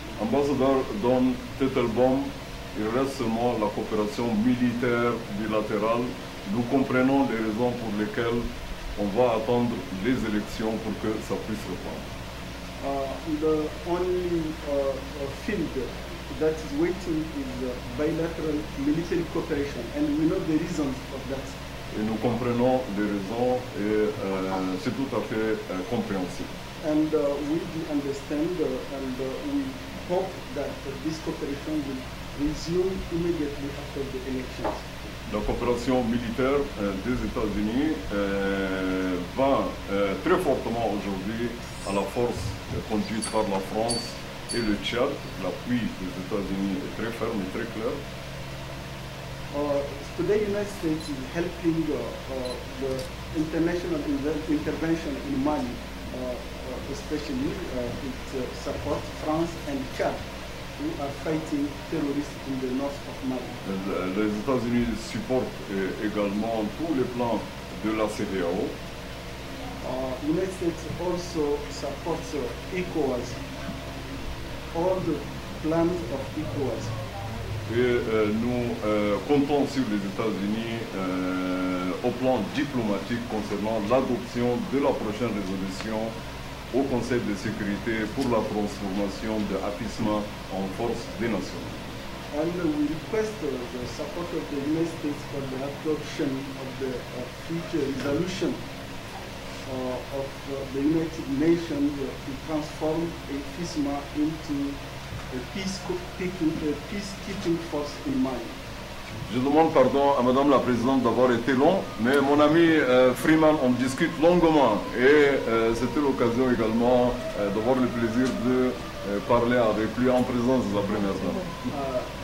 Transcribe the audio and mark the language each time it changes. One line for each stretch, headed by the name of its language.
French: Ambassadeur Don Tettelbaum, il reste seulement la coopération militaire bilatérale. Nous comprenons les raisons pour lesquelles on va attendre les élections pour que ça puisse reprendre.
English: The only field that is waiting is bilateral military cooperation, and we know the reasons for that.
French: Et nous comprenons les raisons et c'est tout à fait compréhensible.
English: And we do understand and we hope that this cooperation will resume immediately after the elections.
French: La coopération militaire des États-Unis va très fortement aujourd'hui à la force conduite par la France et le Tchad. L'appui des États-Unis est très ferme et très clair.
English: Today, the United States is helping the international intervention in Mali, especially it supports France and Chad, who are fighting terrorists in the north of Mali.
French: Les États-Unis supportent également tous les plans de la CEDEAO.
English: United States also supports ECOWAS, all the plans of ECOWAS.
French: Et nous comptons sur les États-Unis au plan diplomatique concernant l'adoption de la prochaine résolution au Conseil de sécurité pour la transformation de APISMA en force des nations.
English: And we request the support of the United States for the adoption of the future resolution of the United Nations to transform APISMA into peacekeeping force in Mali.
French: Je demande pardon à Madame la Présidente d'avoir été long, mais mon ami Freeman, on discute longuement et c'était l'occasion également d'avoir le plaisir de parler avec lui en présence de la Première Dame.